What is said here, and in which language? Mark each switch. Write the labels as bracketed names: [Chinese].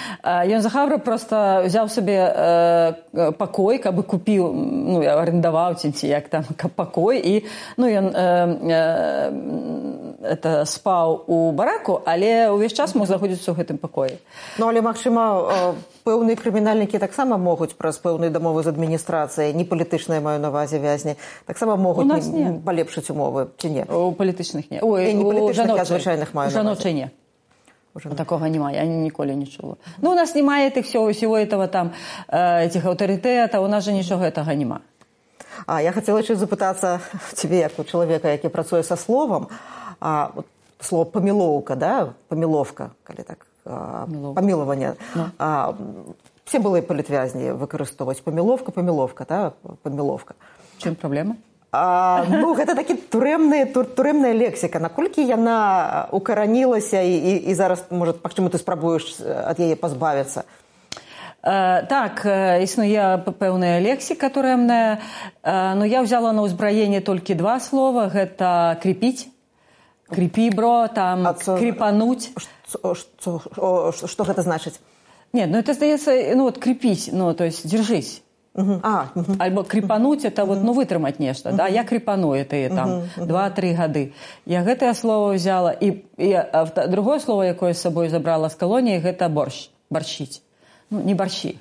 [Belarusian] Ён за хабар просто взяў сабе пакой, каб купіў, ну, я арендаваў ці як там, каб пакой, і ну, ён спаў у бараку, але ўвесь час мог знаходзіцца ў гэтым пакоі. Ну, але, магчыма, пэўныя крымінальнікі таксама могуць праз пэўныя дамовы з адміністрацыяй, не палітычныя, маю на ўвазе, вязні, таксама могуць палепшыць умовы, ці не? У палітычных не. Ой, не палітычных, а звычайных маю на ўвазе. У жаночай не. Такого нема, я ніколі не чула. Ну, у нас немає тих всього этого там, этих аўтарытэтаў, у нас же нічого гэтага нема. А я хацела яшчэ запытацца цябе, як у чалавека, які працуе са словам, слова памілоўка, да, памілоўка, калі так, памілаванне. Да. Все былыя палітвязні выкарыстоўваць памілоўка, да, памілоўка. Чым праблема? Ну, гэта такі турэмная лексіка. Наколькі яна укаранілася і зараз, можа, пачаму ты спрабуеш ад яе пазбавіцца? Так, існуе пэўная лексіка турэмная, но я ўзяла на ўзбраенне толькі два слова, гэта крепіць, [Russian] Крепи, бро, там, крепануть. Что это значит? Нет, ну это остается, ну вот, крепись, ну, то есть, держись. Або крепануть, это вот, ну, вытримать нечто, да, я крепану это, там, 2-3 годы. Я это слово взяла, и другое слово, которое с собой забрала с колонии, это борщ, борщить. Ну, не борщи.